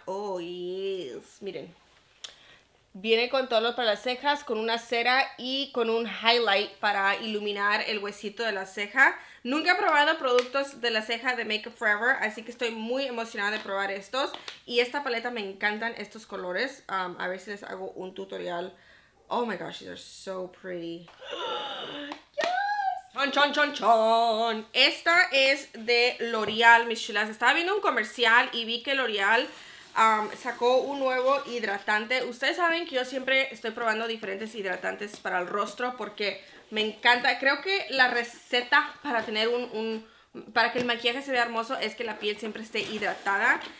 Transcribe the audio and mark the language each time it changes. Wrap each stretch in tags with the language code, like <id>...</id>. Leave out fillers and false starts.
<es>Oh, yes. Miren. Viene con todo lo para las cejas, con una cera y con un highlight para iluminar el huesito de la ceja. Nunca he probado productos de la ceja de Makeup Forever, así que estoy muy emocionada de probar estos. Y esta paleta, me encantan estos colores. A ver si les hago un tutorial.</es> <en>Oh my gosh, they're so pretty. Chon, chon, chon, chon.</en> <es>Esta es de L'Oreal, mis chulas. Estaba viendo un comercial y vi que L'Oreal sacó un nuevo hidratante. Ustedes saben que yo siempre estoy probando diferentes hidratantes para el rostro porque me encanta. Creo que la receta para tener para que el maquillaje se vea hermoso es que la piel siempre esté hidratada.</es>